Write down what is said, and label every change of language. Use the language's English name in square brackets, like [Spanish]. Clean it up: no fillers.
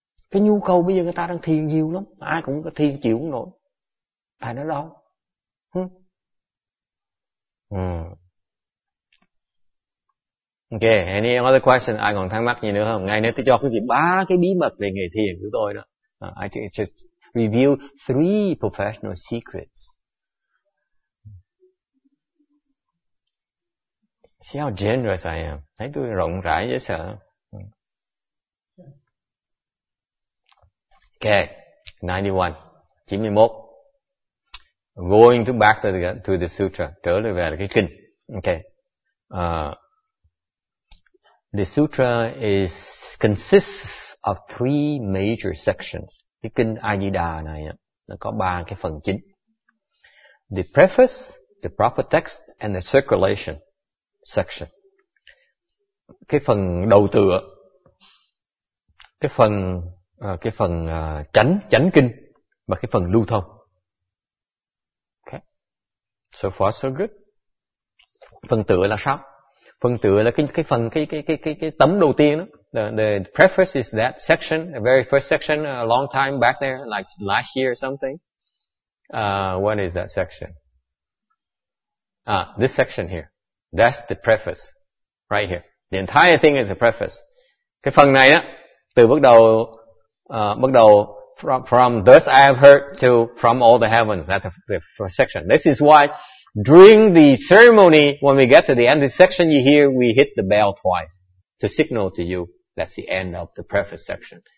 [Vietnamese] Cái nhu cầu bây giờ người ta đang thiền nhiều lắm, ai cũng có thiền chịu không nổi. Tại nó đâu. [English] Ok, any other question? [Vietnamese] Ai còn thắc mắc gì nữa không? Ngày nữa tôi cho quý vị ba cái bí mật về nghề thiền của tôi đó. [English] I think it's just review three professional secrets. See how generous I am. [Vietnamese] Thấy tôi rộng rãi dễ sợ. [English] Okay, 91. 91. Going to back to the sutra. [Vietnamese] Trở lại về cái kinh. [English] Okay. The sutra consists of three major sections. [Vietnamese] Cái kinh A Di Đà này nó có ba cái phần chính. [English] The preface, the proper text and the circulation section. [Vietnamese] Cái phần đầu tựa, cái phần chánh kinh và cái phần lưu thông. Okay. [English] So far so good. [Vietnamese] Phần tựa là sao? Phần tựa là cái tấm đầu tiên đó. [English] The preface is that section, the very first section, a long time back there, like last year or something. What is that section? This section here. That's the preface. Right here. The entire thing is a preface. [Vietnamese] Cái phần này á, từ bắt đầu [English] from thus I have heard to from all the heavens. That's the first section. This is why during the ceremony, when we get to the end of the section, you hear we hit the bell twice to signal to you that's the end of the preface section.